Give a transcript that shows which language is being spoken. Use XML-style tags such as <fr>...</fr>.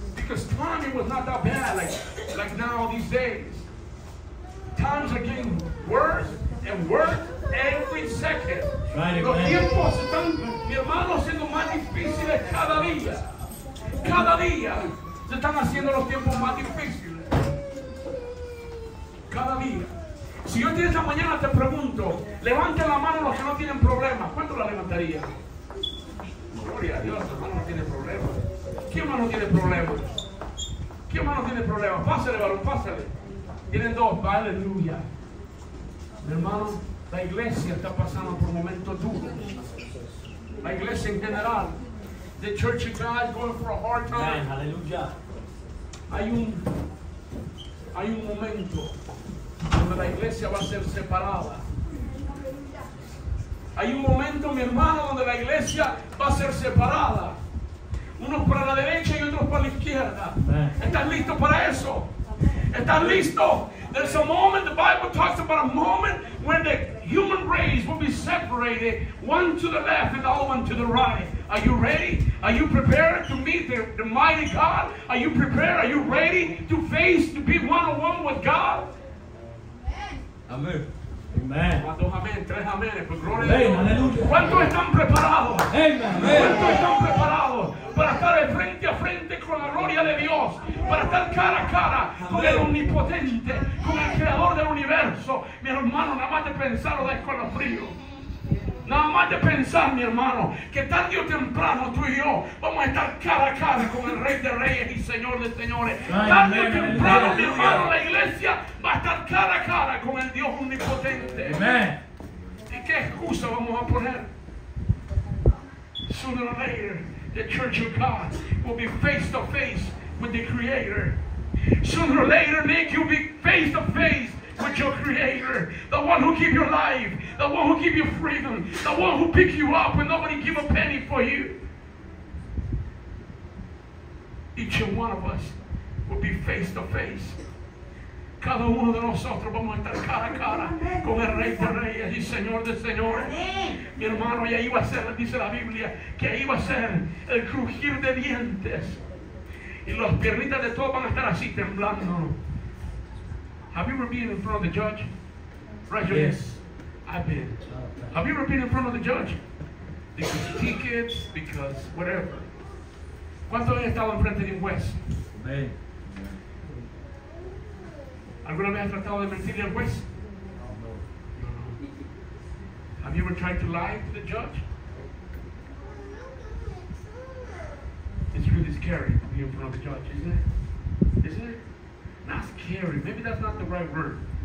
<en>Because Tommy was not that bad like now these days. Times are getting worse and worse every second.</en> <es>Los tiempos están, mi hermano, siendo más difíciles cada día. Cada día se están haciendo los tiempos más difíciles. Cada día. Si yo en esta mañana te pregunto, levanten la mano los que no tienen problemas. ¿Cuánto la levantaría? Gloria a Dios, hermano, no tiene problemas. ¿Quién más no tiene problemas? ¿Quién más no tiene problemas? Pásale, varón, pásale. Tienen dos, aleluya. Mi hermano, la iglesia está pasando por momentos duros. La iglesia en general.</es> <en>The church of God is going for a hard time.</en> <es>Amen, aleluya. Hay un momento donde la iglesia va a ser separada. Hay un momento, mi hermano, donde la iglesia va a ser separada. Unos para la derecha y otros para la izquierda. ¿Estás listo para eso? ¿Estás listo?</es> <en>There's a moment, the Bible talks about a moment when the human race will be separated, one to the left and the other one to the right. Are you ready? Are you prepared to meet the mighty God? Are you prepared? Are you ready to face, to be one-on-one with God? Amen.</en> <es>Amén. Tres aménes. ¿Cuántos están preparados? ¿Cuántos están preparados para estar de frente a frente con la gloria de Dios? Para estar cara a cara con el omnipotente, con el creador del universo. Mi hermano, nada más de pensarlo da escalofrío. Nada más de pensar, mi hermano, que tarde o temprano tú y yo vamos a estar cara a cara con el Rey de Reyes y Señor de Señores. Tarde o temprano, mi hermano, la iglesia va a estar cara a cara con el Dios omnipotente. Amen. ¿Y qué excusa vamos a poner?</es> <en>Sooner or later, the Church of God will be face to face with the Creator. Sooner or later, Nick, you'll be face to face with your Creator, the one who gave your life, the one who gave you freedom, the one who picked you up when nobody gave a penny for you. Each and one of us will be face to face.</en> <es>Cada uno de nosotros vamos a estar cara a cara con el Rey de Reyes y Señor de Señores. Mi hermano, y ahí va a ser, dice la Biblia, que ahí va a ser el crujir de dientes. Y las piernitas de todos van a estar así temblando.</es> <en>Have you ever been in front of the judge? Right, yes. I've been. Okay. Have you ever been in front of the judge? Because tickets, because whatever.</en> <es>¿Cuántos han estado enfrente de un juez? Amen. ¿Alguna vez han tratado de mentirle al juez? No.</es> <en>Have you ever tried to lie to the judge? It's really scary to be in front of the judge, isn't it? Not scary, maybe that's not the right word.</en>